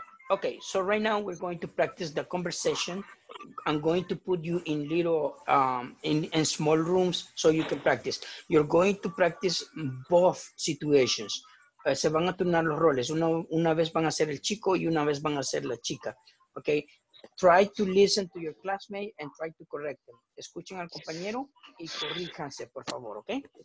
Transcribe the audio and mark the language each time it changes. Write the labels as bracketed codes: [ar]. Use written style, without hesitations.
[en] Okay, so right now we're going to practice the conversation. I'm going to put you in little, in small rooms so you can practice. You're going to practice both situations. [es] Se van a turnar los roles. Una vez van a ser el chico y una vez van a ser la chica. [en] Okay. Try to listen to your classmate and try to correct them. [es] Escuchen al compañero y corríjanse, por favor, ¿ok?